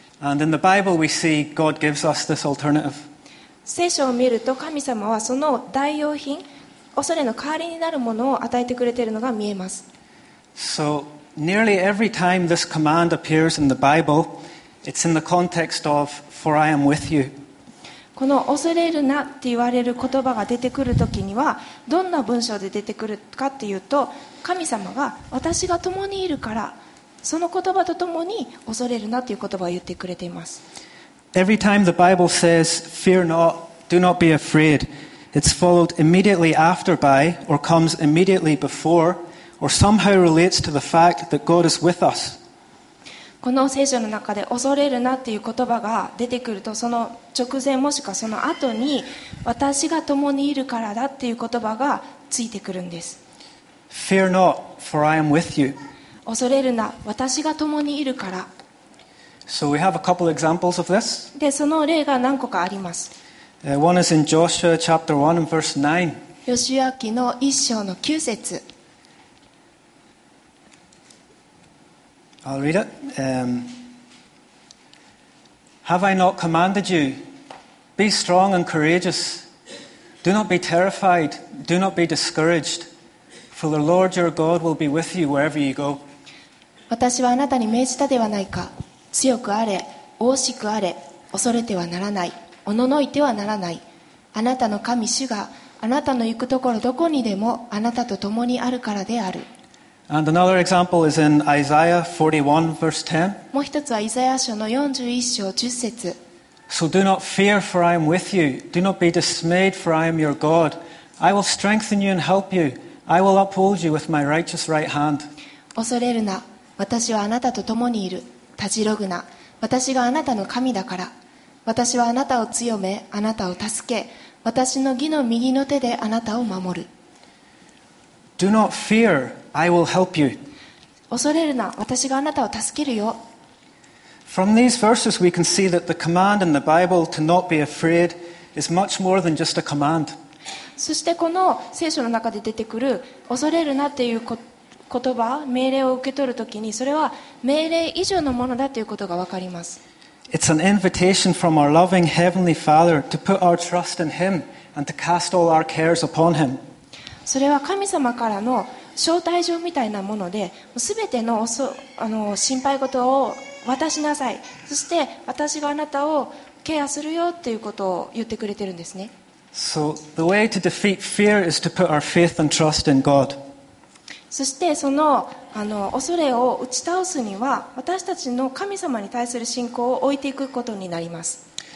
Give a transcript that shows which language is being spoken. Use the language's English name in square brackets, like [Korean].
[English] And in the Bible we see God gives us this alternative. [Japanese] 聖書を見ると神様はその代用品、恐れの代わりになるものを与えてくれているのが見えます。 [English] So nearly every time this command appears in the Bible, it's in the context of "For I am with you." [Japanese] この恐れるなって言われる言葉が出てくるときには、どんな文章で出てくるかっていうと、神様が私が共にいるから、その言葉とともに恐れるなという言葉を言ってくれています。 [English] Every time the Bible says "Fear not, do not be afraid." It's followed immediately after by, or comes immediately before, or somehow relates to the fact that God is with us. [Japanese] この聖書の中で恐れるなっていう言葉が出てくると、その直前もしくはその後に私が共にいるからだっていう言葉がついてくるんです。 [English] Fear not, for I am with you. [Japanese] 恐れるな、私が共にいるから。 [English] So we have a couple examples of this. [Japanese] で、その例が何個かあります。 [English] One is in Joshua chapter 1 and verse 9. [Japanese] ヨシュア記の一章の9節。 [English] I'll read it. Have I not commanded you? Be strong and courageous. Do not be terrified. Do not be discouraged. For the Lord your God will be with you wherever you go. [Japanese] 私はあなたに命じたではないか。強くあれ、大きくあれ、恐れてはならない。おののいてはならない。あなたの神主があなたの行くところどこにでもあなたと共にあるからである。 [English] And another example is in Isaiah 41 verse 10. [Japanese] もう一つはイザヤ書の41章10節。 [English] So do not fear, for I am with you. Do not be dismayed, for I am your God. I will strengthen you and help you. I will uphold you with my righteous right hand. [Japanese] 恐れるな。私はあなたと共にいる。たじろぐな。私があなたの神だから。私はあなたを強め、あなたを助け、私の義の右の手であなたを守る。 [English] Do not fear, I will help you. [Japanese] 恐れるな、私があなたを助けるよ。 [English] From these verses we can see that the command in the Bible to not be afraid is much more than just a command. [Japanese] そしてこの聖書の中で出てくる恐れるなっていう言葉、命令を受け取るときにそれは命令以上のものだということがわかります。 [English] It's an invitation from our loving heavenly Father to put our trust in Him and to cast all our cares upon Him. [Japanese] それは神様からの招待状みたいなもので、すべての心配事を渡しなさい。そして私があなたをケアするよということを言ってくれてるんですね。 [English] So the way to defeat fear is to put our faith and trust in God. [Japanese] そしてその恐れを打ち倒すには私たちの神様に対する信仰を置いていくことになります。